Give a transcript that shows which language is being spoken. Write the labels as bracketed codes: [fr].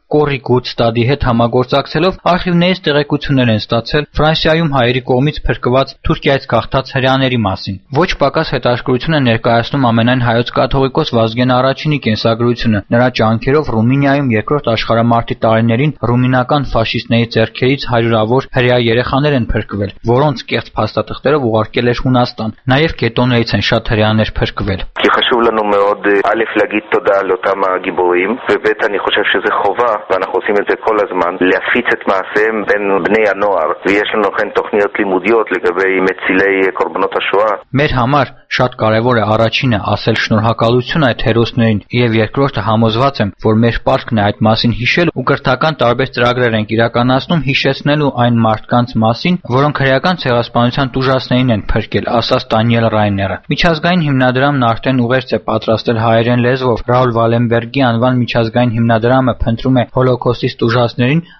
[hy] Կորի գուց ստադի հետ համագործակցելով արխիվներից տեղեկություններ են ստացել Ֆրանսիայում հայերի կողմից փրկված Թուրքիայից գաղթած հրեաների մասին։ Ոչ պակաս հետաշկրություն է ներկայացնում ամենայն հայոց կաթողիկոս Վազգեն Առաջինի կենսագրությունը, նրա ճանկերով Ռումինիայում երկրորդ աշխարհամարտի տարիներին ռումինական ֆաշիստների ձեռքերից հարյուրավոր հրեա երեխաներ են փրկվել, որոնց կեղծ փաստաթղթերով ուղարկել է Հունաստան, նաև գետոներից են շատ հրեաներ փրկվել։ [he] חשוב לנו מאוד א' להגיד תודה לאותם הגיבורים וב' אני חושב שזה חובה ואנחנו עושים את זה כל הזמן להפיץ את מעשיהם בין בני הנוער ויש לנו כן תוכניות לימודיות לגבי מצילי קורבנות השואה [hy] מר համար շատ կարևոր է առաջինը ասել շնորհակալություն այդ հերոսներին եւ երկրորդը համոզված եմ որ մեր պարտքն է այդ մասին հիշել ու կրթական տարբեր ծրագրեր ենք իրականացնում հիշեցնելու այն մարդկանց մասին որոնք հրեական ցեղասպանության դժվարներին են փրկել ասաց Դանիել Ռայները միջազգային հիմնադրամն արդեն ուղերձ է պատրաստել հայերեն լեզվով Ռաուլ Վալենբերգի անվան միջազգային հիմնադրամը փնտրում է հոլոկոստի դժվարներին